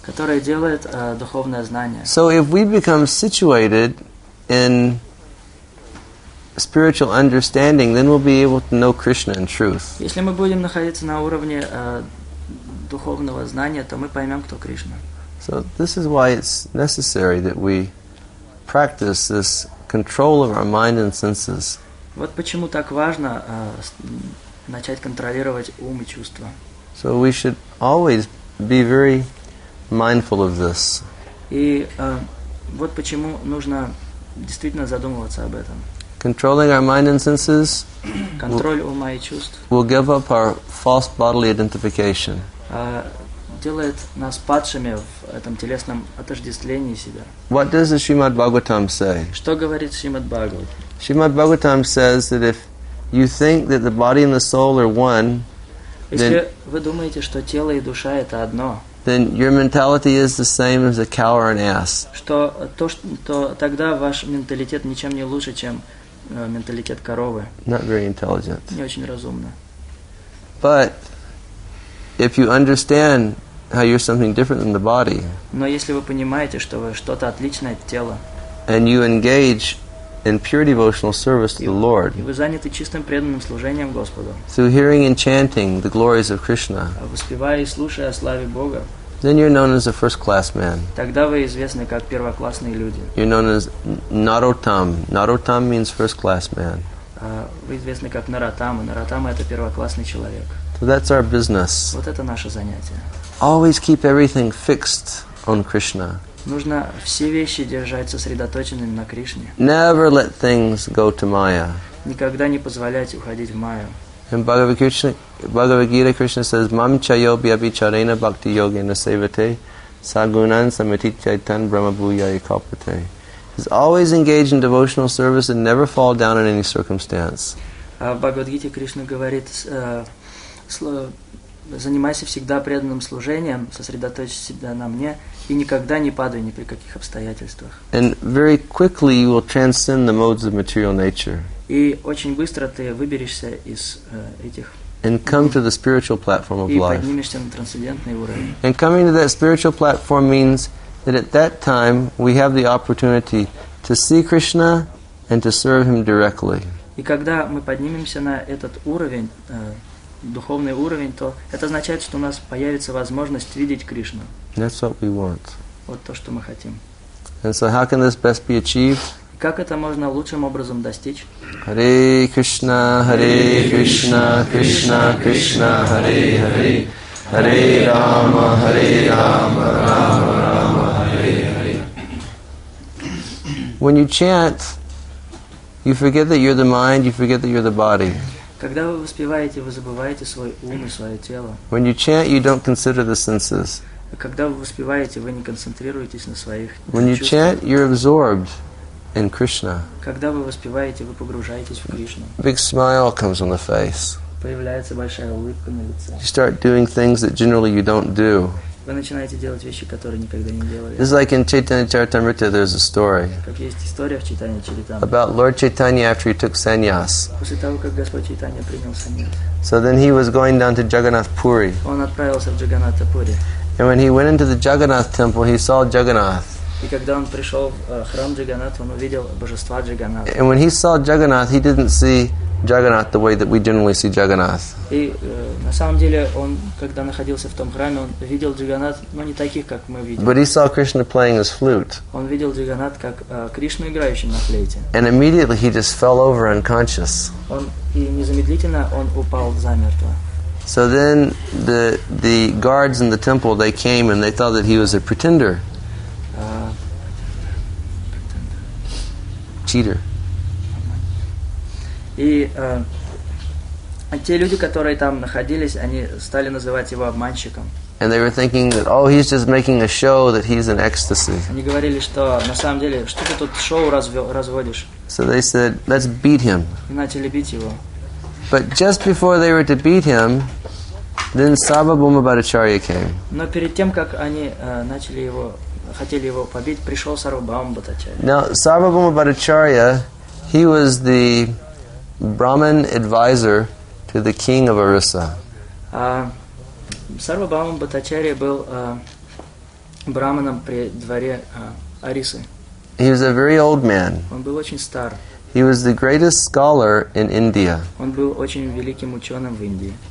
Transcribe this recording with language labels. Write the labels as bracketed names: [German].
[Russian] Которое делает духовное знание. [English] So if we become situated in spiritual understanding, then we'll be able to know Krishna in truth. [Russian] Если мы будем находиться на уровне духовного знания, то мы поймем, кто Кришна. [English] So this is why it's necessary that we practice this control of our mind and senses. [Russian] Вот почему так важно начать контролировать ум и чувства. [English] So we should always be very mindful of this. [Russian] И вот почему нужно действительно задумываться об этом. [English] Controlling our mind and senses [Russian] Контроль ума и чувств [English] will give up our false bodily identification. [Russian] Делает нас падшими в этом телесном отождествлении себя. [English] What does the Srimad Bhagavatam say? [Russian] Что говорит Шримад Бхагават? [English] Шримад Бхагаватам says that if you think that the body and the soul are one, [Russian] Если вы думаете, что тело и душа это одно, [English] then your mentality is the same as a cow or an ass. [Russian] То тогда ваш менталитет ничем не лучше, чем менталитет коровы. [English] Not very intelligent. [Russian] Не очень разумно. [English] But if you understand how you're something different than the body, [Russian] Но если вы понимаете, что вы что-то отличное от тела, [English] and you engage in pure devotional service to the Lord, [Russian] и вы заняты чистым преданным служением Господу, [English] through hearing and chanting the glories of Krishna, [Russian] воспевая и слушая о славе Бога, [English] then you're known as a first-class man. [Russian] Тогда вы известны как первоклассные люди. [English] You're known as Narottam. Narottam means first-class man. [Russian] Вы известны как Наротама. Наротама это первоклассный человек. [English] So that's our business. [Russian] Вот это наше занятие. [English] Always keep everything fixed on Krishna. [Russian] Нужно все вещи держать сосредоточенными на Кришне. [English] Never let things go to Maya. [Russian] Никогда не позволять уходить в Майю. [English] In Bhagavad Gita, Krishna says, [Sanskrit] "Mam chayo bhyabhicharena bhakti yogena sevate sagunan samatityaitan brahmabhuyaya kalpate." [English] He's always engaged in devotional service and never fall down in any circumstance. [Russian] В Bhagavad Gita Krishna говорит, занимайся всегда преданным служением, сосредоточь себя на мне и никогда не падай ни при каких обстоятельствах. [English] And very quickly you will transcend the modes of material nature. [Russian] И очень быстро ты выберешься из этих [English] And come to the spiritual platform of life. [Russian] И поднимешься на трансцендентный уровень. [English] And coming to that spiritual platform means that at that time we have the opportunity to see Krishna and to serve him directly. [Russian] И когда мы поднимемся на этот уровень, духовный уровень, то это означает, что у нас появится возможность видеть Кришну. [English] That's what we want. [Russian] Вот то, что мы хотим. [English] And so how can this best be achieved? [Russian] Как это можно лучшим образом достичь? [Sanskrit] Hare Krishna, Hare Krishna, Krishna Krishna, Hare Hare. Hare Rama, Hare Rama, Rama Rama, Hare Hare. [English] When you chant, you forget that you're the mind, you forget that you're the body. [Russian] Когда вы воспеваете, вы забываете свой ум и свое тело. [English] When you chant, you don't consider the senses. [Russian] Когда вы воспеваете, вы не концентрируетесь на своих чувствах. [English] When you chant, you're absorbed in Krishna. [Russian] Когда вы воспеваете, вы погружаетесь в Кришну. [English] Big smile comes on the face. [Russian] Появляется большая улыбка на лице. [English] You start doing things that generally you don't do. [Russian] Вы начинаете делать вещи, которые никогда не делали. [English] It's like in Chaitanya Charitamrita, there's a story. [Russian] Как есть история в Чайтанья Чаритамрите. [English] About Lord Chaitanya after he took sannyas. [Russian] После того, как Господь Чайтанья принял саньяс. [English] So then he was going down to Jagannath Puri. [Russian] Он отправился в Джаганнат Пури. [English] And when he went into the Jagannath temple, he saw Jagannath. [Russian] И когда он пришел в храм Джаганнат, он увидел божества Джаганнат. [English] And when he saw Jagannath, he didn't see Jagannath the way that we generally see Jagannath. [Russian] И на самом деле он, когда находился в том храме, он видел Джаганнат, но не таких, как мы видим. [English] But he saw Krishna playing his flute. [Russian] Он видел Джаганнат как Кришну играющим на флейте. [English] And immediately he just fell over unconscious. [Russian] Он и незамедлительно он упал замертво. [English] So then the guards in the temple they came and they thought that he was a pretender. Cheater. [Russian] И те люди, которые там находились, они стали называть его обманщиком. [English] And they were thinking that, oh, he's just making a show that he's in ecstasy. [Russian] Они говорили, что на самом деле, что ты тут шоу разводишь? [English] So they said, let's beat him. [Russian] И начали бить его. [English] But just before they were to beat him, Then Sava Bhuma Bhattacharya came. [Russian] Но перед тем, как они начали его, хотели его побить, пришел Сарвабхаума Бхаттачарья. [English] Now, Sava Bhuma Bhattacharya, he was the Brahmin advisor to the king of Orissa. [Russian] Сарвабхаума Бхаттачарья был брахманом при дворе Орисы. [English] He was a very old man. [Russian] Он был очень стар. [English] He was the greatest scholar in India. [Russian] Он был очень великим ученым в Индии.